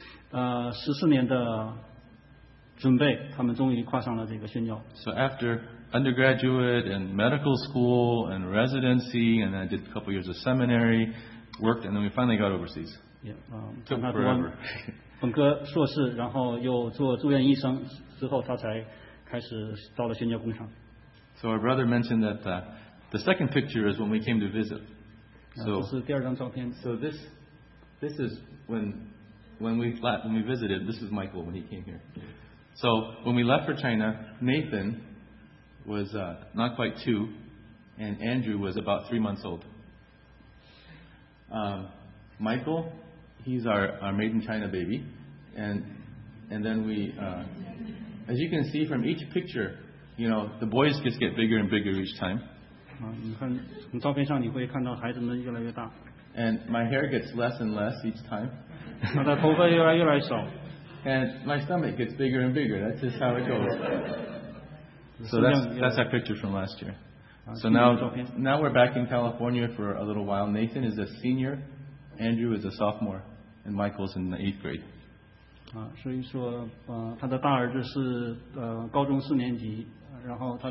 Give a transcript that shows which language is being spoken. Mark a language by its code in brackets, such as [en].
[zh] 14年的准备，他们终于跨上了这个宣教。 [en] So after undergraduate and medical school and residency, and I did a couple years of seminary, worked, and then we finally got overseas. Yeah, took forever. So our brother mentioned that the second picture is when we came to visit. So this is when we visited. This is Michael when he came here. So when we left for China, Nathan was not quite two, and Andrew was about 3 months old. Michael, he's our made in China baby, and then we, as you can see from each picture, you know, the boys just get bigger and bigger each time. [zh] 从照片上你会看到孩子们越来越大。 [en] And my hair gets less and less each time. [zh] 我的头发越来越少。 [en] And my stomach gets bigger and bigger. That's just how it goes. So that's that picture from last year. So now we're back in California for a little while. Nathan is a senior, Andrew is a sophomore, and Michael's in the eighth grade. [zh] 所以说，他的大儿子是高中四年级，然后他